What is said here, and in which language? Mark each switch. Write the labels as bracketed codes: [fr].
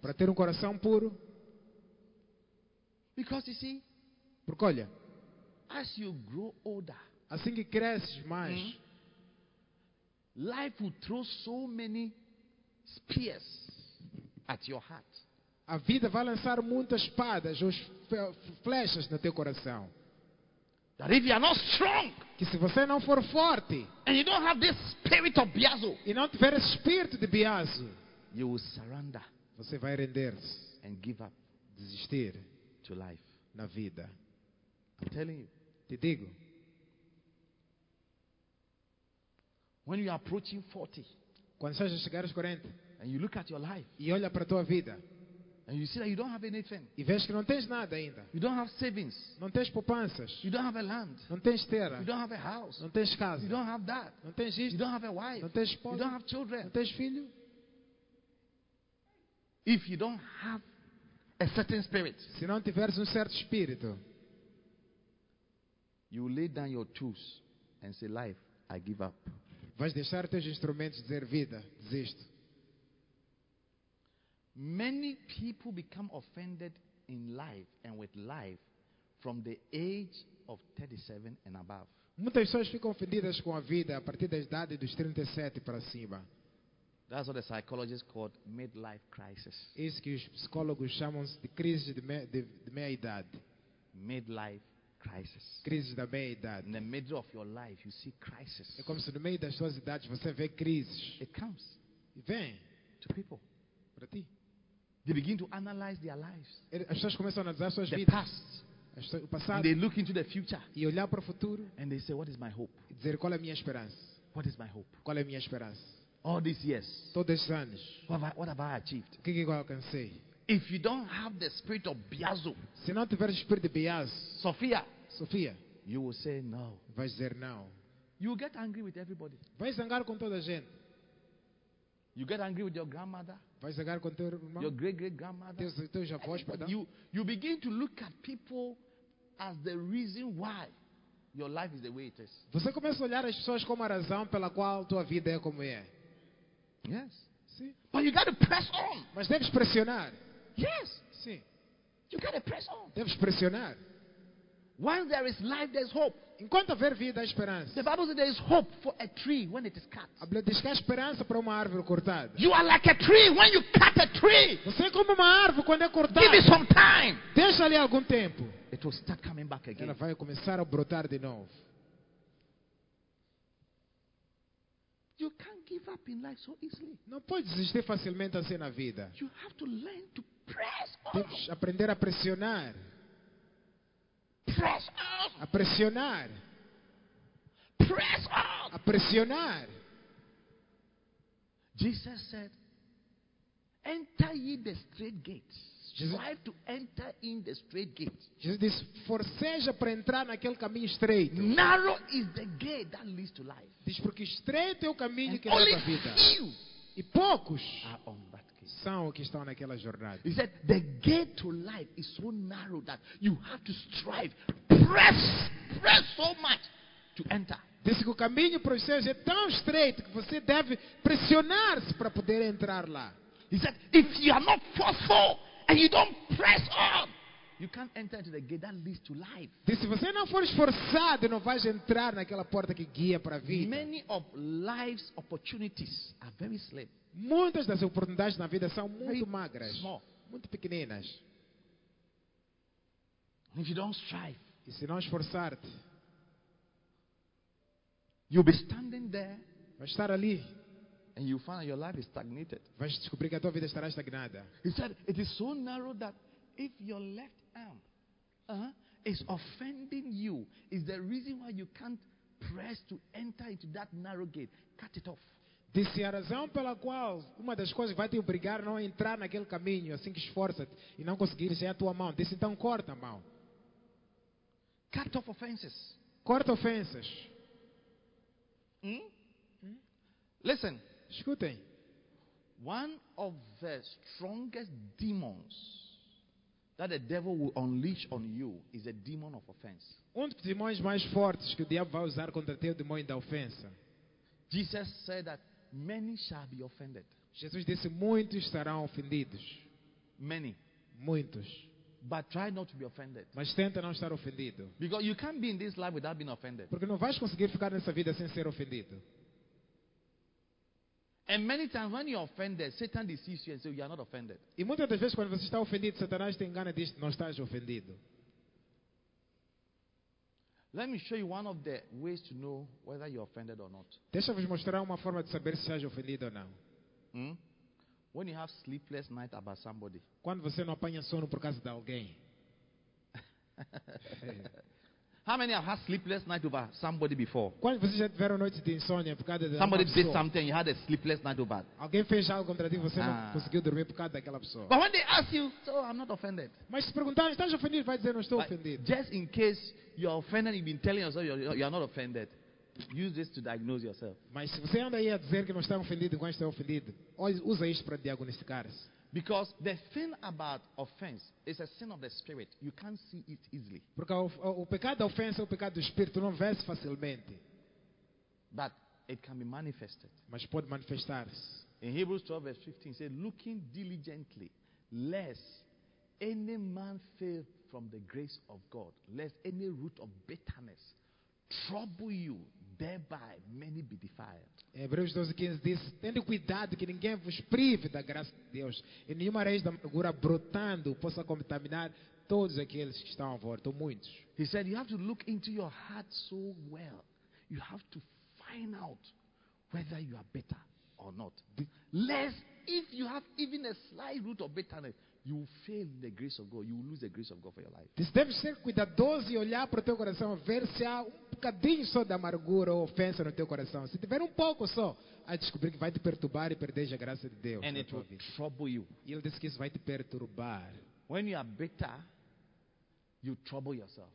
[pt] para ter coração puro. [en] Because you see, [pt] porque olha, [en] as you grow older, [pt] assim que cresces mais, [en] life will throw so many spears at your heart. [pt] A vida vai lançar muitas espadas ou flechas no teu coração. [en] That if you are not strong, [pt] que se você não for forte, [en] and you don't have this spirit of Biazo, [pt] e não tiver esse espírito de Biazo, [en] you will surrender, [pt] você vai render-se, [en] and give up, [pt] desistir, [en] to life, [pt] na vida. [en] I'm telling you, [pt] te digo, [en] when you are approaching 40, [pt] quando você chegar aos 40, [en] and you look at your life, [pt] e olha para a tua vida, [en] and you see that you don't have anything. [pt] E vês que não tens nada ainda. [en] You don't have savings. [pt] Não tens poupanças. [en] You don't have a land. [pt] Não tens terra. [en] You don't have a house. [pt] Não tens casa. [en] You don't have that. [pt] Não tens isto. [en] You don't have a wife. [pt] Não tens esposa. [en] You don't have children. [pt] Não tens filho. [en] If you don't have a certain spirit, [pt] se não tiveres certo espírito, [en] you lay down your tools and say, life, I give up. [pt] Vais deixar teus instrumentos e dizer, vida, desisto. [en] Many people become offended in life and with life from the age of 37 and above. [pt] Muitas pessoas ficam ofendidas com a vida a partir da idade dos 37 para cima. [en] That's what the psychologists call midlife crisis. [pt] Isso que os psicólogos chamam de crise de meia idade. [en] Midlife crisis. [pt] Crise da meia idade. [en] In the middle of your life, you see crisis. [pt] É como se no meio das suas idades você vê crises. [en] It comes. [pt] E vem. [en] To people. [pt] Para ti. [en] They begin to analyze their lives. [pt] As pessoas começam a analisar suas [en] the [pt] vidas. [en] Past. [pt] O passado. [en] And they look into the future. [pt] E olhar para o futuro. [en] And they say, what is my hope? [pt] E dizer, qual é a minha esperança? [en] What is my hope? [pt] Qual é a minha esperança? [en] All these years. [pt] Todos esses anos. [en] What have I achieved? [pt] O que eu alcancei? [en] If you don't have the spirit of Biazo, [pt] se não tiver o espírito de Biazo, [en] Sofia. [pt] Sofia. [en] You will say no. [pt] Vai dizer não. [en] You will get angry with everybody. [pt] Vai zangar com toda a gente. [en] You get angry with your grandmother. [pt] Vai zangar com teu irmão. [en] Your great grandmother. [pt] Teus avós, perdão. [en] You begin to look at people as the reason why your life is the way it is. [pt] Você começa a olhar as pessoas como a razão pela qual tua vida é como é. [en] Yes. [pt] Sim. [en] But you got to press on. [pt] Mas deves pressionar. [en] Yes. [pt] Sim. [en] You got to press on. [pt] Deves pressionar. [en] While there is life, there is hope. [pt] Enquanto houver vida, há esperança. [en] The Bible says there is hope for a tree when it is cut. [pt] A Bíblia diz que há esperança para uma árvore cortada. [en] You are like a tree when you cut a tree. [pt] Você é como uma árvore quando é cortada. [en] Give it some time. [pt] Deixa ali algum tempo. [en] It will start coming back again. [pt] Ela vai começar a brotar de novo. [en] You can't give up in life so easily. [pt] Não pode desistir facilmente assim na vida. [en] You have to learn to press on. [pt] Tens que aprender a pressionar. [en] Press on. [pt] A pressionar. [en] Press on. [pt] A pressionar. [en] Jesus said, enter ye the straight gate. Strive to enter in the straight gate. [pt] Jesus disse, forceja para entrar naquele caminho estreito. [en] Narrow is the gate that leads to life. [pt] Diz porque estreito é o caminho [en] and [pt] que leva à vida. [en] Few [pt] e poucos [en] are on that gate. [pt] São os que estão naquela jornada. [en] He said, the gate to life is so narrow that you have to strive, press so much to enter. [pt] Diz que o caminho para o sucesso é tão estreito que você deve pressionar-se para poder entrar lá. [en] He said, if you are not forceful and you don't press on, you can't enter to the gate that leads to life. [pt] Diz, se você não for esforçado, não vais entrar naquela porta que guia para a vida. [en] Many of life's opportunities are very slim. [pt] Muitas das oportunidades na vida são muito [en] very [pt] magras, [en] small, [pt] muito pequeninas. [en] If you don't strive, [pt] e se não esforçar-te, [en] you'll be standing there, [pt] vai estar ali. [en] And you find your life is stagnated. [pt] Vais descobrir que a tua vida estará estagnada. [en] He said, it is so narrow that if your left arm is offending you, is the reason why you can't press to enter into that narrow gate. Cut it off. [pt] Disse a razão pela qual uma das coisas vai te obrigar a não entrar naquele caminho assim que esforça-te e não conseguires é a tua mão. Disse então corta a mão. [en] Cut off offenses. [pt] Corta ofensas. [en] Listen. [pt] Escutem. [en] One of the strongest demons that the devil will unleash on you is a demon of offense. [pt] Um dos demônios mais fortes que o diabo vai usar contra ti é o demônio da ofensa. [en] Jesus said that many shall be offended. [pt] Jesus disse muitos serão ofendidos. [en] Many. [pt] Muitos. [en] But try not to be offended. [pt] Mas tenta não estar ofendido. [en] Because you can't be in this life without being offended. [pt] Porque não vais conseguir ficar nessa vida sem ser ofendido. [en] And many times when you're offended, Satan deceives you and says you are not offended. [pt] E muitas das vezes quando você está ofendido, Satanás te engana e diz não estás ofendido. [en] Let me show you one of the ways to know whether you're offended or not. [pt] Deixa-vos mostrar uma forma de saber se estás ofendido ou não. [en] When you have sleepless night about somebody. [pt] Quando você não apanha sono por causa de alguém. [en] How many have had sleepless night over somebody before? [pt] Quando vocês já tiveram noite de insônia por causa daquela pessoa? [en] Somebody did something, you had a sleepless night over. [pt] Alguém fez algo contra ti, você não conseguiu dormir por causa daquela pessoa. [en] But when they ask you, so I'm not offended. [pt] Mas se perguntarem, estás ofendido? Vai dizer, não estou ofendido. [en] Just in case you're offended, you've been telling yourself you're not offended. Use this to diagnose yourself. [pt] Mas se você anda aí a dizer que não está ofendido, enquanto está ofendido, usa isto para diagnosticar-se. [en] Because the thing about offense is a sin of the spirit. You can't see it easily. [pt] Porque o pecado da ofensa é o pecado do espírito, não vês facilmente. [en] But it can be manifested. [pt] Mas pode manifestar-se. [en] In Hebrews 12 verse 15 says, looking diligently, lest any man fail from the grace of God, lest any root of bitterness trouble you, thereby many be defiled. [pt] Hebreus 12:15 diz: tendo cuidado que ninguém vos prive da graça de Deus, e nenhuma raiz da amargura brotando possa contaminar todos aqueles que estão à volta, ou muitos. [en] He said, you have to look into your heart so well. You have to find out whether you are bitter or not. Lest if you have even a slight root of bitterness, you will fail the grace of God. You will lose the grace of God for your life. [pt] Diz, deve ser cuidadoso e olhar para o teu coração a ver se há um bocadinho só de amargura ou ofensa no teu coração. Se tiver um pouco só, a descobrir que vai te perturbar e perder a graça de Deus. [en] And it will trouble you. [pt] E ele disse que isso vai te perturbar. [en] When you are bitter, you trouble yourself.